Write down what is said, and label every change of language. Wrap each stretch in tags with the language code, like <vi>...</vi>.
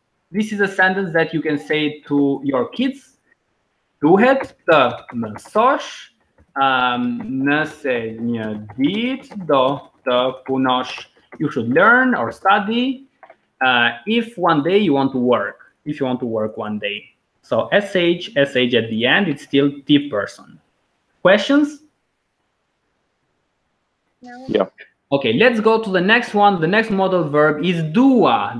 <en>This is a sentence that you can say to your kids.</en> <sq>Duhet të mësosh nëse një ditë do të punosh.</sq> <en>You should learn or study if one day you want to work. If you want to work one day. So SH at the end, it's still T person. Questions? No. Yeah. Okay, let's go to the next one. The next modal verb is dua.</en>